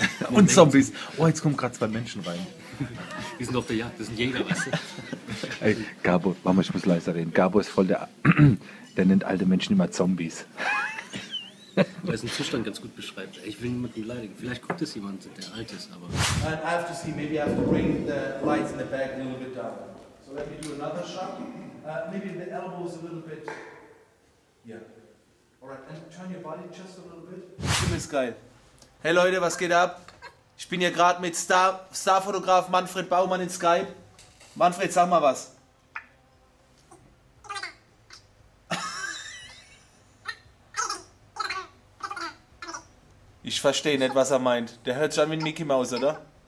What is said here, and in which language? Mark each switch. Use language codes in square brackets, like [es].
[de] Und Zombies. Oh, jetzt kommen gerade zwei Menschen rein. Die sind auf der Jagd, das sind Jäger, weißt du? Ey, Gabo, warte mal, ich muss leiser reden. Gabo ist voll der nennt alte Menschen immer Zombies. Weil es den Zustand ganz gut beschreibt. Ich will niemanden beleidigen. Vielleicht guckt es jemand, der alt ist, aber. [en] I have to see, maybe I have to bring the lights in the back a little bit down. So let me do another shot. Maybe the elbows a little bit. Yeah. Alright, and turn your body just a little bit. [de] Ziemlich geil. Hey Leute, was geht ab? Ich bin hier gerade mit Starfotograf Manfred Baumann in Skype. Manfred, sag mal was. Ich verstehe nicht, was er meint. Der hört schon wie ein Mickey Mouse, oder?